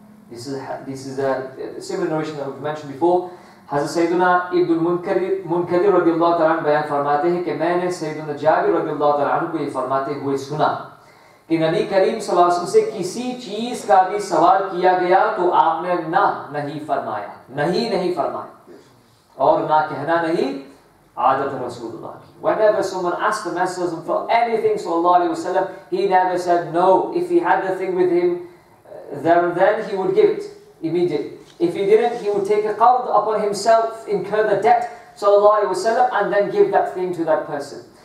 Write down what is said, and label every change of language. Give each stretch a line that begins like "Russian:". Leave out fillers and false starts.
English: This is a similar narration that we've mentioned before.
Urdu: حضرت سیدنا ابن منکر رضی اللہ تعالیٰ عنہ بیان فرماتے ہیں کہ میں نے سیدنا جابر رضی اللہ تعالیٰ عنہ کو یہ فرماتے ہوئے سنا کہ نبی کریم صلی اللہ علیہ وسلم سے کسی چیز کا بھی سوال کیا گیا تو آپ نے نہ نہیں فرمایا نہیں فرمایا اور نہ کہنا نہیں عادت رسول اللہ کی.
English: Whenever someone asked the Messenger for anything sallallahu alayhi wa sallam, he never said no. If he had the thing with him, then he would give it immediately. If he didn't, he would take a qard upon himself, incur the debt, sallallahu alayhi wa sallam, and then give that thing to that person.